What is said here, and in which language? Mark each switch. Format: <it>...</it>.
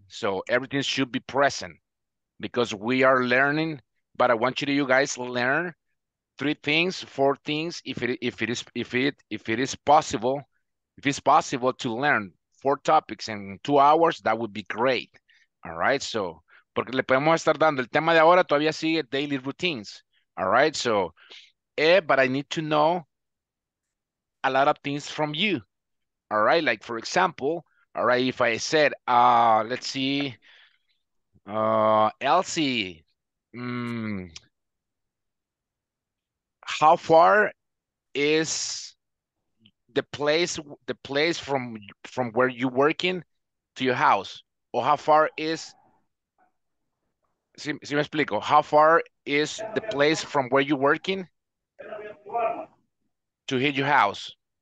<en>So everything should be present because we are learning, but I want you guys to learn three things, four things, if it is possible. If it's possible to learn four topics in 2 hours, that would be great. All right.</en> <es>So, porque le podemos estar dando el tema de ahora, todavía sigue daily routines.</es> <en>All right. So, but I need to know a lot of things from you. All right. Like, for example, all right, if I said, let's see, Elsie, how far is the place from where you're working to your house, or how far is,</en> <es>si me explico,</es> <en>how far is the place from where you're working to hit your house?</en>